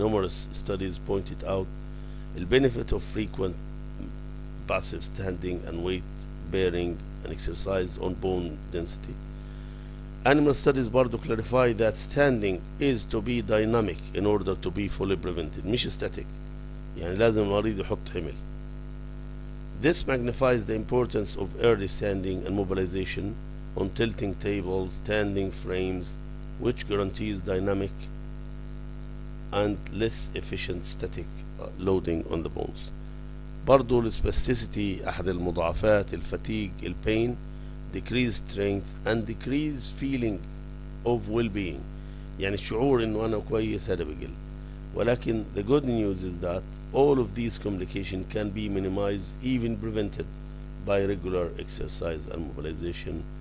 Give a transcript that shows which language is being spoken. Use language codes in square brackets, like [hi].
[en] Numerous studies pointed out the benefit of frequent passive standing and weight bearing and exercise on bone density. Animal studies برضو clarify that standing is to be dynamic in order to be fully prevented, مش static. [ar] يعني لازم المريض يحط حمل. [en] This magnifies the importance of early standing and mobilization on tilting tables, standing frames, which guarantees dynamic and less efficient static loading on the bones. [ar] برضو الاسبستيسيتي احد المضاعفات، الفتيج، البين، [en] decrease strength and decrease feeling of well-being. [ar] يعني الشعور انه انا كويس هذا بقل. [en] ولكن the good news is that all of these complications can be minimized even prevented by regular exercise and mobilization.